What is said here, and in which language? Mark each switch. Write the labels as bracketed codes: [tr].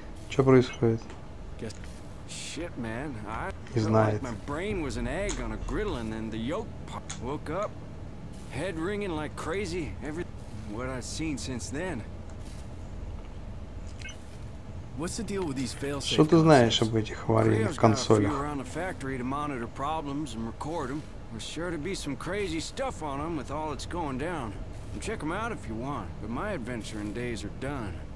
[ru] Что происходит? [en] Shit, man. I felt like my brain was an egg on a griddle, and then the yolk popped. Woke up, head ringing like crazy. Everything what I've seen since then. What's the deal with these fail-safe consoles? [ru] Что ты знаешь об этих аварийных консолях? [en] Creo's got a few around the factory to monitor problems and record them. There's sure to be some crazy stuff on them with all that's going down. And check them out if you want, but my adventuring days are done.